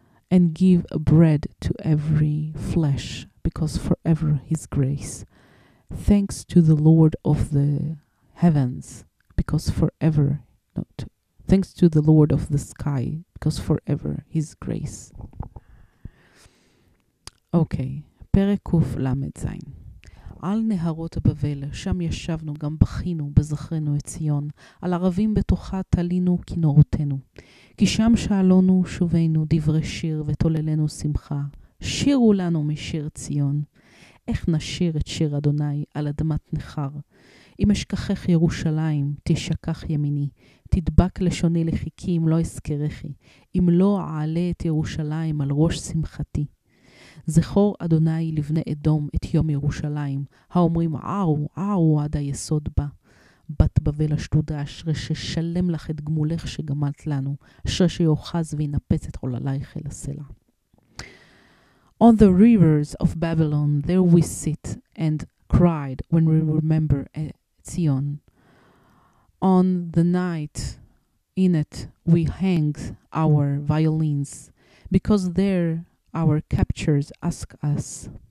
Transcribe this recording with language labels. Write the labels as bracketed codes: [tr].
[en] And give bread to every flesh, because forever his grace. Thanks to the Lord of the heavens, because forever, not thanks to the Lord of the sky, because forever his grace. Okay, פרק ל"ז. [he] על נהרות הבבל, שם ישבנו, גם בכינו, בזכרנו את ציון. על ערבים בתוכה תלינו כינורותינו. כי שם שאלונו שובנו דברי שיר ותוללנו שמחה. שירו לנו משיר ציון. איך נשיר את שיר אדוני על אדמת נחר? אם אשכחך ירושלים, תשכח ימיני. תדבק לשוני לחיקי אם לא אזכרכי. אם לא אעלה את ירושלים על ראש שמחתי. זכור אדוני לבני אדום את יום ירושלים, האומרים ערו, ערו עד היסוד בה. בת בבל השדודה, אשרי ששלם לך את גמולך שגמלת לנו, אשרי שיוחז וינפץ את עולליך אל הסלע. [en] On the rivers of Babylon, there we sit and cried when we remember Zion. On the night in it we hang our violins, because there our captures ask us.